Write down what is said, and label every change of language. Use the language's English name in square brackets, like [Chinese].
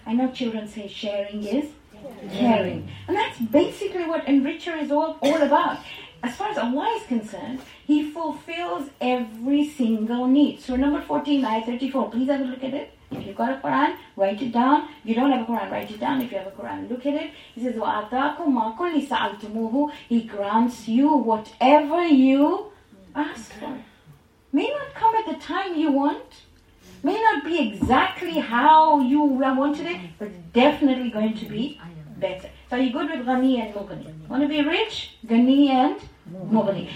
[English] I know children say sharing is caring. And that's basically what enricher is all about. As far as Allah is concerned, he fulfills every single need. Surah number 14, ayah 34. Please have a look at it. If you've got a Quran, write it down. If you don't have a Quran, write it down. If you have a Quran, look at it. He says, [Arabic] وَأَتَاكُمْ مَا كُلِّ سَأَلْتُمُوهُ. [English] He grants you whatever you ask for. May not come at the time you want. May not be exactly how you wanted it, but definitely going to be better. So are you good with Ghani and Mughni? Want to be rich? Ghani and Mughni.